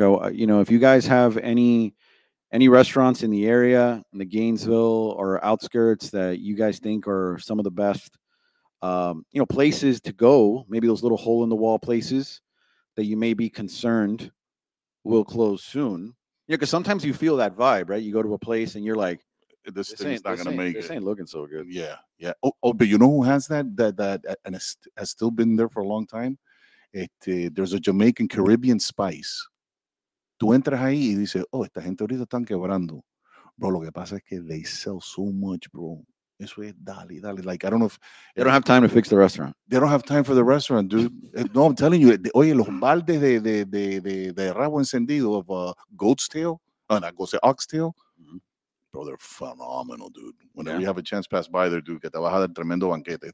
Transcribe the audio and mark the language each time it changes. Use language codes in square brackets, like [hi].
[en] If you guys have any restaurants in the area, in the Gainesville or outskirts that you guys think are some of the best, places to go, maybe those little hole in the wall places that you may be concerned will close soon. Yeah, because sometimes you feel that vibe, right? You go to a place and you're like, This thing's not gonna make it. This ain't looking so good. Yeah. Oh, but who has that and has still been there for a long time? There's a Jamaican Caribbean Spice. [es] Tú entras ahí y dices, oh, esta gente ahorita están quebrando. [en] Bro, [es] lo que pasa es que [en] they sell so much, bro. [es] Eso es dale. [en] Like, I don't know if they don't have time to fix the restaurant. They don't have time for the restaurant, dude. No, I'm telling you. [es] Oye, los baldes de rabo encendido [en] of goat's tail, oxtail, mm-hmm. Bro, they're phenomenal, dude. Whenever you have a chance, pass by there, dude. [es] Que te bajas del tremendo banquete.